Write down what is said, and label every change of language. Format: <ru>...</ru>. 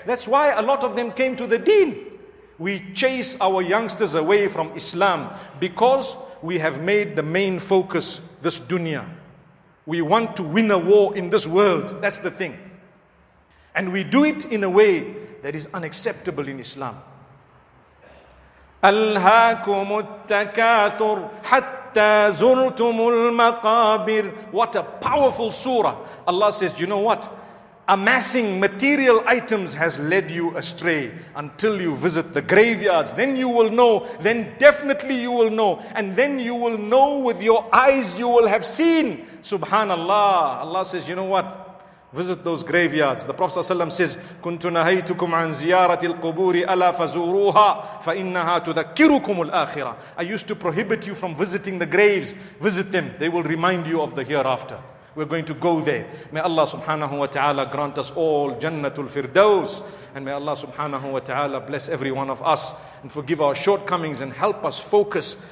<en>That's why a lot of them came to the deen. We chase our youngsters away from Islam because we have made the main focus this dunya. We want to win a war in this world. That's the thing. And we do it in a way that is unacceptable in Islam.</en> <ar>ألهاكم التكاثر حتى زرتم المقابر.</ar> <en>What a powerful surah. Allah says, you know what? Amassing material items has led you astray until you visit the graveyards. Then you will know, then definitely you will know, and then you will know with your eyes, you will have seen. Subhanallah. Allah says, you know what? Visit those graveyards. The Prophet says,</en> <ar>كُنْتُ نَهَيْتُكُمْ عَنْ زِيَارَةِ الْقُبُورِ أَلَا فَزُورُوهَا فَإِنَّهَا تُذَكِّرُكُمُ الْآخِرَةِ.</ar> <en>I used to prohibit you from visiting the graves. Visit them. They will remind you of the hereafter. We're going to go there. May Allah subhanahu wa ta'ala grant us all Jannatul Firdaus. And may Allah subhanahu wa ta'ala bless every one of us and forgive our shortcomings and help us focus.</en>